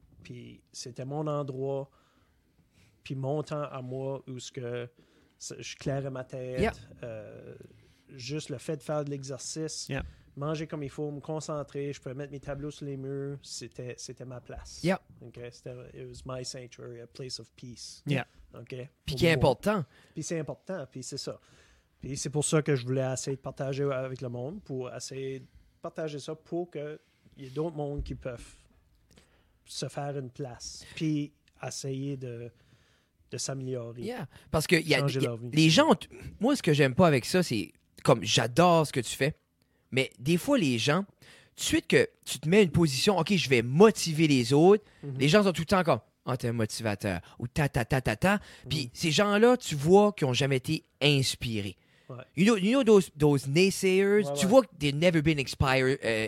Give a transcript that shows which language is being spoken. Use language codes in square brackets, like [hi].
[fr] Puis c'était mon endroit... Puis mon temps à moi, où ce que je clairais ma tête, juste le fait de faire de l'exercice, manger comme il faut, me concentrer, je pouvais mettre mes tableaux sur les murs, c'était ma place. [en] Yeah. Okay? It was my sanctuary, a place of peace. Yeah. Okay? [fr] Puis qui est important. Puis c'est important, puis c'est ça. Puis c'est pour ça que je voulais essayer de partager avec le monde, pour essayer de partager ça pour qu'il y ait d'autres mondes qui peuvent se faire une place. Puis essayer de s'améliorer. [en] Yeah. [fr] Parce que les gens, moi, ce que j'aime pas avec ça, c'est comme j'adore ce que tu fais, mais des fois, les gens, tout de suite que tu te mets une position, OK, je vais motiver les autres, les gens sont tout le temps comme, oh, t'es un motivateur, ou ta, ta, ta, ta, ta. Puis ces gens-là, tu vois qu'ils ont jamais été inspirés. Ouais. [en] You know those naysayers, [fr] tu vois que [en] they've never been inspired.